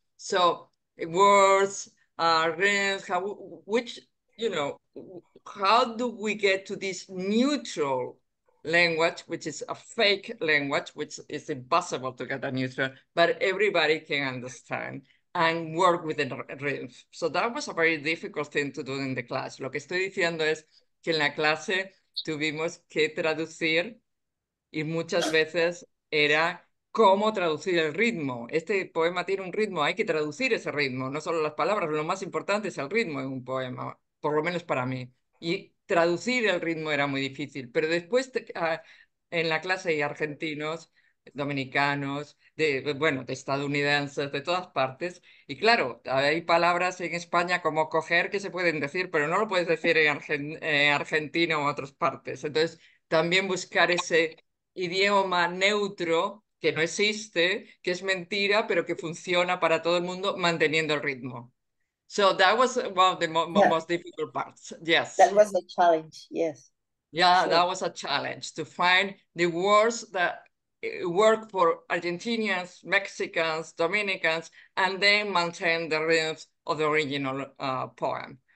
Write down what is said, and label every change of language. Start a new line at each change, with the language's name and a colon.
English: So words are, how do we get to this neutral language, which is a fake language, which is impossible to get a neutral, but everybody can understand and work with the rhythm. So that was a very difficult thing to do in the class.
Spanish: Lo que estoy diciendo es que en la clase tuvimos que traducir y muchas veces era cómo traducir el ritmo. Este poema tiene un ritmo, hay que traducir ese ritmo, no solo las palabras, lo más importante es el ritmo en un poema, por lo menos para mí. Y traducir el ritmo era muy difícil, pero después en la clase hay argentinos, dominicanos, de estadounidenses, de todas partes, y claro, hay palabras en España como coger que se pueden decir, pero no lo puedes decir en argentino o en otras partes. Entonces, también buscar ese idioma neutro que no existe, que es mentira, pero que funciona para todo el mundo manteniendo el ritmo.
English: So that was one of the most difficult parts. Yes. That was a challenge, yes. Yeah, sure. That was a challenge to find the words that work for Argentinians, Mexicans, Dominicans, and then maintain the rhythms of the original poem.